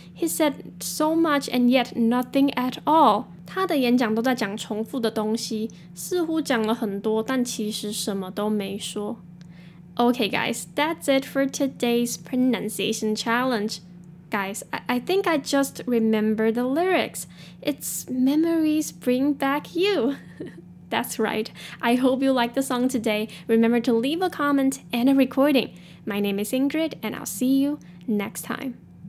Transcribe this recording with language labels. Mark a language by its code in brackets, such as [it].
[en] He said so much and yet nothing at all. [zh] 他的演讲都在讲重复的东西，似乎讲了很多，但其实什么都没说。 [en] Okay guys, that's it for today's pronunciation challenge. Guys, I think I just remember the lyrics. It's memories bring back you. That's right. I hope you like the song today. Remember to leave a comment and a recording. My name is Ingrid, and I'll see you next time.